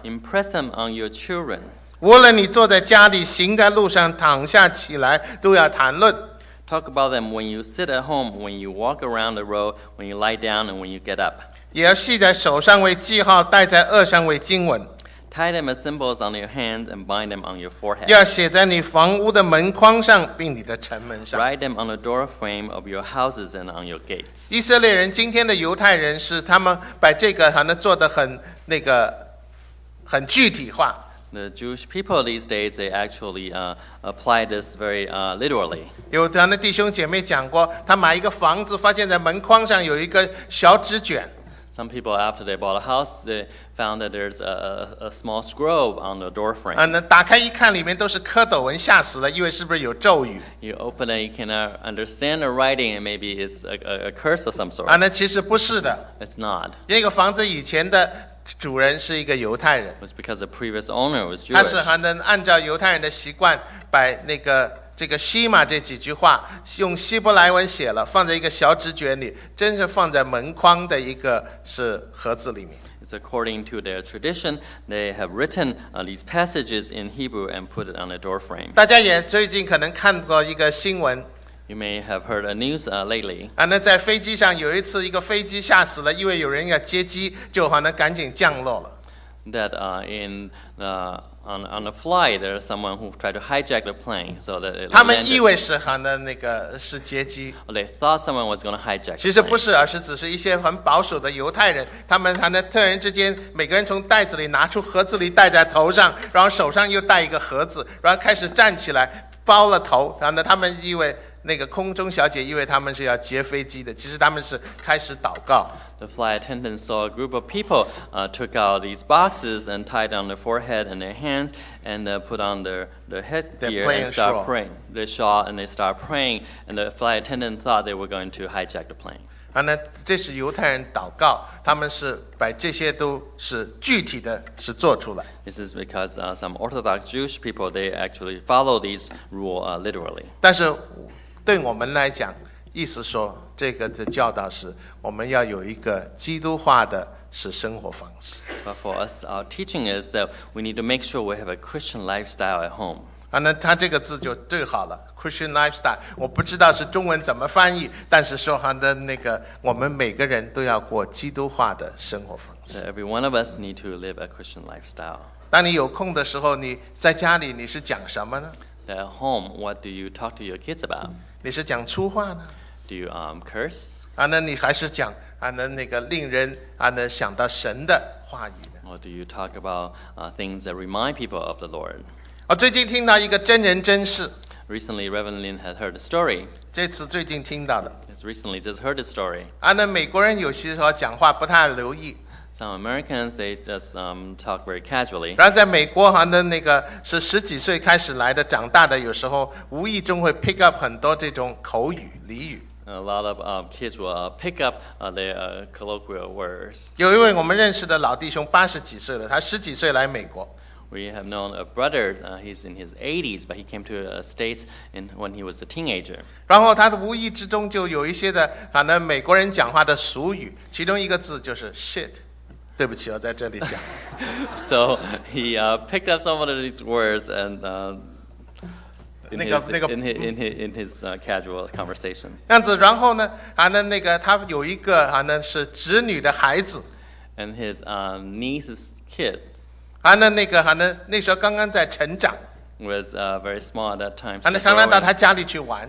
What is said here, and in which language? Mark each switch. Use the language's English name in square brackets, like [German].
[English] Impress them on your children. [Chinese] 无论你坐在家里，行在路上，躺下起来，都要谈论。 [English] Talk about them when you sit at home, when you walk around the road, when you lie down, and when you get up. [Chinese] 也要系在手上为记号，戴在额上为经文。 [English] Tie them as symbols on your hands and bind them on your forehead. [Chinese] 要写在你房屋的门框上，并你的城门上。 [English] Write them on the door frame of your houses and on your gates. [Chinese] 以色列人今天的犹太人是他们把这个好像做得很那个很具体化。 [English] The Jewish people these days they actually apply this very literally. [Chinese] 有他的弟兄姐妹讲过，他买一个房子，发现在门框上有一个小纸卷。 [English] Some people after they bought a house, they found that there's a small scroll on the door frame. [Chinese] 那打开一看，里面都是蝌蚪文，吓死了，以为是不是有咒语。 [English] You open it, you cannot understand the writing, and maybe it's a curse of some sort. [Chinese] 那其实不是的。 [English] It's not. [Chinese] 那个房子以前的主人是一个犹太人。 [English] It's because the previous owner was Jewish. [Chinese] 他是还能按照犹太人的习惯，把那个这个希玛这几句话用希伯来文写了，放在一个小纸卷里，真是放在门框的一个是盒子里面。 [English] It's according to their tradition, they have written these passages in Hebrew and put it on the door frame. [Chinese] 大家也最近可能看过一个新闻。 [English] You may have heard a news lately. [Chinese] 那在飞机上有一次一个飞机吓死了，因为有人要接机，就好像赶紧降落了。 [English] That in the On the flight, there is someone who tried to hijack the plane, so that it. [Chinese] 他们以为是喊的那个是劫机。 [English] They thought someone was going to hijack. [Chinese] 其实不是，而是只是一些很保守的犹太人，他们喊的特人之间，每个人从袋子里拿出盒子里戴在头上，然后手上又戴一个盒子，然后开始站起来包了头。然后他们以为那个空中小姐以为他们是要劫飞机的，其实他们是开始祷告。 [English] The flight attendant saw a group of people took out these boxes and tied on their forehead and their hands and put on their headgear and start praying. They saw and they start praying and the flight attendant thought they were going to hijack the plane. [Chinese] 那这是犹太人祷告，他们是把这些都是具体的是做出来。 [English] This is because some Orthodox Jewish people they actually follow these rule literally. [Chinese] 但是对我们来讲，意思说这个的教导是我们要有一个基督化的是生活方式。 [English] But for us, our teaching is that we need to make sure we have a Christian lifestyle at home. [Chinese] 那他这个字就对好了 ， [English] Christian lifestyle。 [Chinese] 我不知道是中文怎么翻译，但是说好的那个，我们每个人都要过基督化的生活方式。 [English] Every one of us need to live a Christian lifestyle. [Chinese] 当你有空的时候，你在家里你是讲什么呢 [English] ？At home, what do you talk to your kids about? [Chinese] 你是讲粗话呢？ [English] Do you curse? [Chinese] 那你还是讲那个令人想到神的话语呢 [English] ？Or do you talk about things that remind people of the Lord? [Chinese] 我最近听到一个真人真事。 [English] Recently, Reverend Lin had heard a story. [Chinese] 这次最近听到的。 [English] It's recently just heard a story. [Chinese] 那美国人有些时候讲话不太留意。 [English] Some Americans they just talk very casually. [Chinese] 然后在美国好像那个是十几岁开始来的，长大的有时候无意中会 [English] pick up [Chinese] 很多这种口语俚语。 [English] A lot of kids will pick up their colloquial words. [Chinese] 有一位我们认识的老弟兄八十几岁了，他十几岁来美国。 [English] We have known a brother, he's in his 80s, but he came to the States when he was a teenager. [Chinese] 然后他无意之中就有一些的反正美国人讲话的俗语，其中一个字就是 shit。对不起，我在这里讲。 [English] So he picked up some of these words and. In his casual conversation. [Chinese] 样子，然后呢，那个他有一个是侄女的孩子。 [English] And his niece's kid. [Chinese] 那个那时候刚刚在成长。 [English] Was very small at that time. [Chinese] 常常到他家里去玩。